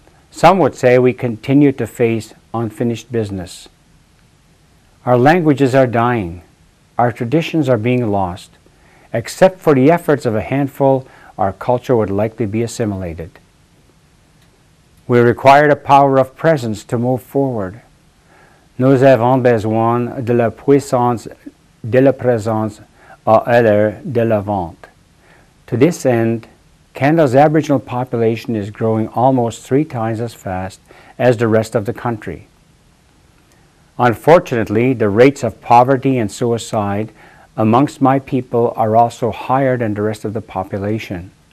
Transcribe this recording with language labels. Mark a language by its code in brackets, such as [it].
[en] Some would say we continue to face unfinished business. Our languages are dying. Our traditions are being lost. Except for the efforts of a handful, our culture would likely be assimilated. We require a power of presence to move forward. [fr] Nous avons besoin de la puissance de la présence à l'heure de l'avant. [en] To this end, Canada's Aboriginal population is growing almost three times as fast as the rest of the country. Unfortunately, the rates of poverty and suicide amongst my people are also higher than the rest of the population.